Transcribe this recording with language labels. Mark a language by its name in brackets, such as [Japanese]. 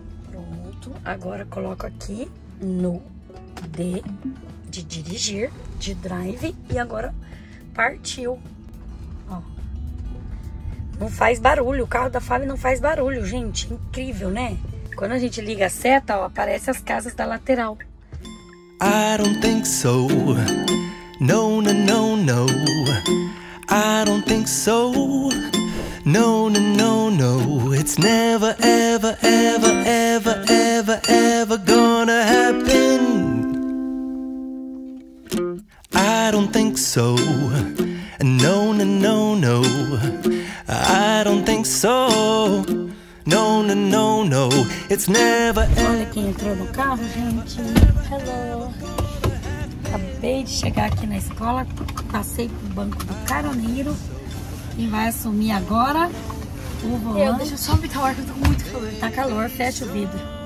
[Portuguese] Pronto. Agora coloco aqui no D de dirigir, de drive. E agora partiu. Ó. Não faz barulho. O carro da Fábio não faz barulho, gente. Incrível, né? Quando a gente liga a seta, ó, aparece as casas da lateral. [English] I don't think so. No, no, no, no, I don't think so. No, no, no, no, it's never, ever, ever, ever, ever, ever gonna happen. I don't think so. No, no, no, no, I don't think so. No, no, no, no, it's never, ever. [Portuguese] Olha quem entrou no carro, gente. Hello. Acabei de chegar aqui na escola, passei pro banco do caroneiro e vai assumir agora o volante. Eu, deixa eu só apitar o ar, que eu tô com muito calor. Tá calor, fecha o vidro.